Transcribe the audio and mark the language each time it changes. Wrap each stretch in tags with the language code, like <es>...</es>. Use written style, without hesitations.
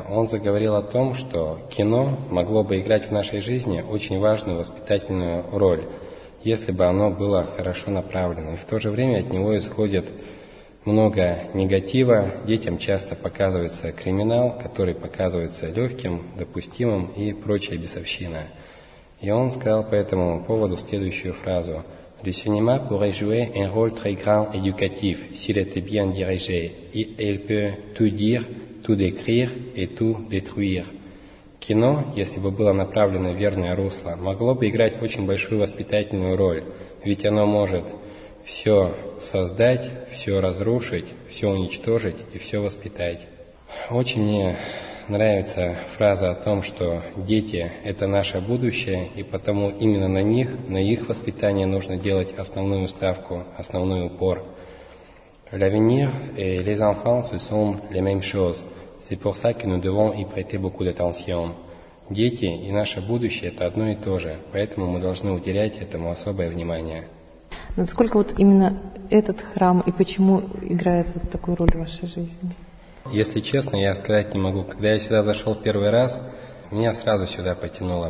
<ru>Он заговорил о том, что кино могло бы играть в нашей жизни очень важную воспитательную роль, если бы оно было хорошо направлено. И в то же время от него исходит много негатива. Детям часто показывается криминал, который показывается легким, допустимым и прочая бесовщина. И он сказал по этому поводу следующую фразу.</ru> <fr>«Le cinéma pourrait jouer un rôle très grand éducatif, s'il était bien dirigé. Il peut tout dire, tout décrire et tout détruire».</fr> <ru>Кино, если бы было направлено в верное русло, могло бы играть очень большую воспитательную роль, ведь оно может все создать, все разрушить, все уничтожить и все воспитать. Очень мне нравится фраза о том, что дети – это наше будущее, и потому именно на них, на их воспитание нужно делать основную ставку, основной упор.</ru> <fr>L'avenir et les enfants, ce sont les mêmes choses. C'est pour ça que nous devons y prêter beaucoup d'attention.</fr> <ru>Дети и наше будущее – это одно и то же, поэтому мы должны уделять этому особое внимание. Насколько вот именно этот храм и почему играет вот такую роль в вашей жизни? Если честно, я сказать не могу. Когда я сюда зашел первый раз, меня сразу сюда потянуло.</ru>